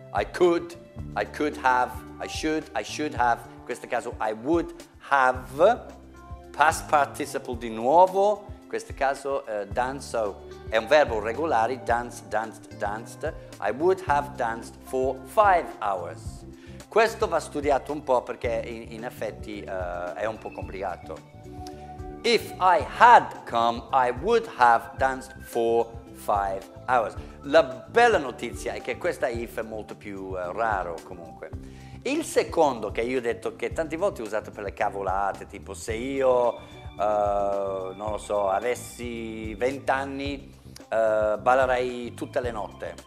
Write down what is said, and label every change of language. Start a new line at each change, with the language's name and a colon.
English: I could have, I should have,
Italian: in questo caso
English: I would have, past participle
Italian: di nuovo, in questo caso danzo, è un verbo regolare,
English: dance, danced, danced, I would have danced for 5 hours.
Italian: Questo va studiato un po' perché in effetti è un po' complicato.
English: If I had come, I would have danced for 5 hours.
Italian: La bella notizia è che questa if è molto più raro comunque. Il secondo che io ho detto che tante volte è usato per le cavolate, tipo se io, non lo so, avessi 20 anni, ballerei tutte le notte.